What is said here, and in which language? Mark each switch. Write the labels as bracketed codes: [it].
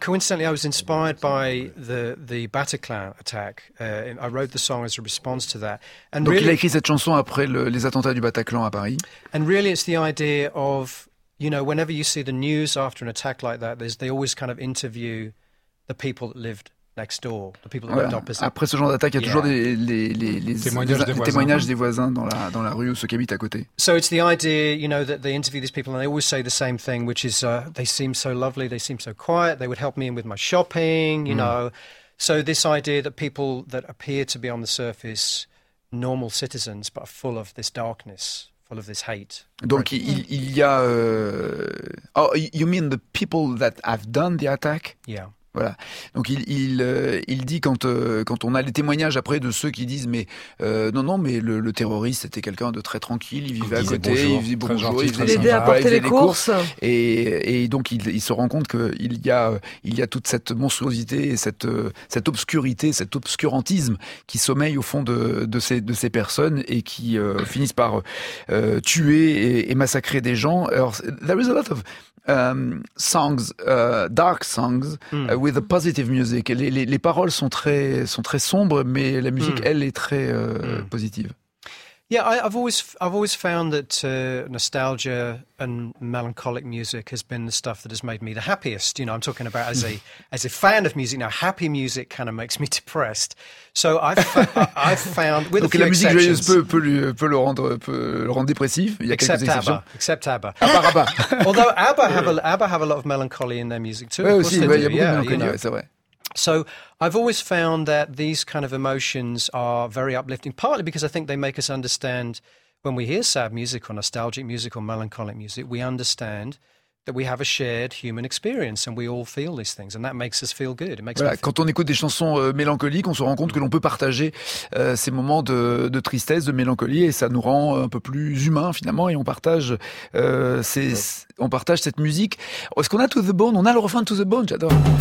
[en] Coincidentally, I was inspired by the Bataclan attack. I wrote the song as a response to that. [fr] And donc, il a écrit cette chanson après les attentats du Bataclan à Paris. [en] And really, it's the idea of, you know, whenever you see the news after an attack like that, they always kind of interview the people that lived next door, the people that lived opposite. [fr] Après ce genre d'attaque, il y a toujours les témoignages des voisins dans la rue ou ceux qui habitent à côté. [en] So it's the idea, you know, that they interview these people and they always say the same thing, which is they seem so lovely, they seem so quiet, they would help me in with my shopping, you know. So this idea that people that appear to be on the surface normal citizens but are full of this darkness, full of this hate. Donc you mean the people that have done the attack? Yeah. [fr] Voilà. Donc il dit quand on a les témoignages après de ceux qui disent mais le terroriste c'était quelqu'un de très tranquille, il vivait à côté, il faisait bonjour, il aidait à porter les courses. Et donc il se rend compte qu'il y a toute cette monstruosité et cette obscurité, cet obscurantisme qui sommeille au fond de ces personnes et qui finissent par tuer et massacrer des gens. [en] Alors, there is a lot of songs, dark songs, with a positive music. [fr] Les paroles sont très sombres, mais la musique, elle, est très positive. [en] Yeah, I've always found that nostalgia and melancholic music has been the stuff that has made me the happiest. You know, I'm talking about as a fan of music. Now, happy music kind of makes me depressed. So I've found with [fr] donc [en] a few [fr] la musique joyeuse peut le rendre dépressif. Il y a [en] except [fr] quelques exceptions. [en] Except Abba. Abba. Although Abba have a lot of melancholy in their music too. [fr] Oui, aussi, il y a beaucoup de mélancolie, you know. Ouais, c'est vrai. [en] So I've always found that these kind of emotions are very uplifting, partly because I think they make us understand when we hear sad music or nostalgic music or melancholic music, we understand that we have a shared human experience and we all feel these things and that makes us feel good. It makes [fr] voilà, [en] me feel [fr] quand on écoute des chansons mélancoliques, on se rend compte que l'on peut partager ces moments de tristesse, de mélancolie et ça nous rend un peu plus humains finalement et on partage cette musique. Est-ce qu'on a To The Bone? On a le refrain de To The Bone, j'adore.